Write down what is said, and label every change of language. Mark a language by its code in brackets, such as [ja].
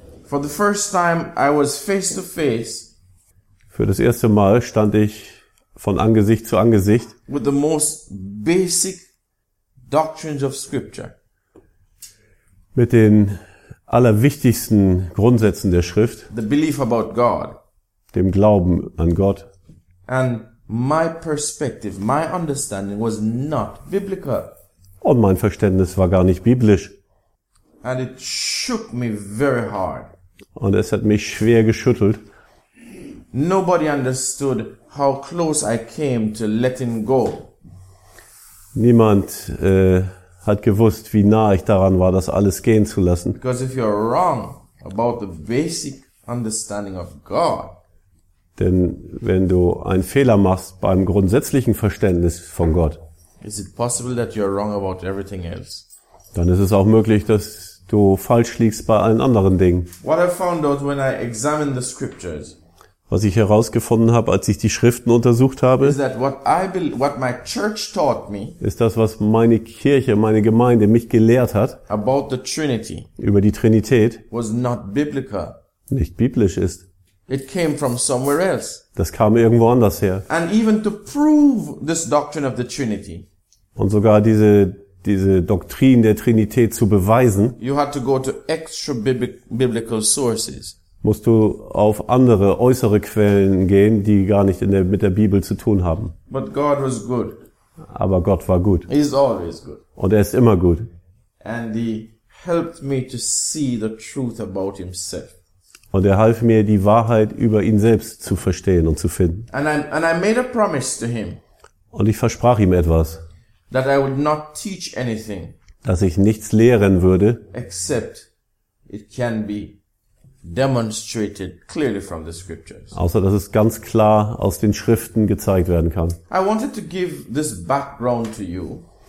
[en] For the first time I was face to face. [de] Für das erste Mal stand ich von Angesicht zu Angesicht. [en] With the most basic doctrines of scripture. [de] Mit den allerwichtigsten Grundsätzen der Schrift. [en] The belief about God. [de] Dem Glauben an Gott. [en] And my perspective, my understanding was not biblical. [de] Und mein Verständnis war gar nicht biblisch. [en] And it shook me very hard. [de] Und es hat mich schwer geschüttelt. [en] Nobody understood how close I came to letting go. [de] Niemand hat gewusst, wie nah ich daran war, das alles gehen zu lassen. [en] Because if you're wrong about the basic understanding of God. [de] Denn wenn du einen Fehler machst beim grundsätzlichen Verständnis von Gott. [en] Is it possible that you're wrong about everything else? [de] Dann ist es auch möglich, dass du falsch liegst bei allen anderen Dingen. [en] What I found out when I examined the scriptures. [de] Was ich herausgefunden habe, als ich die Schriften untersucht habe, [en] is that what my church taught me, [de] ist das, was meine Kirche, meine Gemeinde mich gelehrt hat, [en] about the Trinity, [de] über die Trinität, [en] was not biblical. [de] Nicht biblisch ist. [en] It came from somewhere else. [de] Das kam irgendwo anders her. [en] And even to prove this doctrine of the Trinity, [de] und sogar diese Doktrin der Trinität zu beweisen, [en] you had to go to extra biblical sources. [de] Musst du auf andere äußere Quellen gehen, die gar nicht mit der Bibel zu tun haben. [en] But God was good. [de] Aber Gott war gut. [en] He is always good. [de] Und er ist immer gut. [en] And he helped me to see the truth about himself. [de] Und er half mir, die Wahrheit über ihn selbst zu verstehen und zu finden. [en] And I made a promise to him. [de] Und ich versprach ihm etwas. [en] That I would not teach anything. [de] Dass ich nichts lehren würde. [en] Except it can be demonstrated clearly from the scriptures. [de] Außer dass es ganz klar aus den Schriften gezeigt werden kann. [en] I wanted to give this background to you.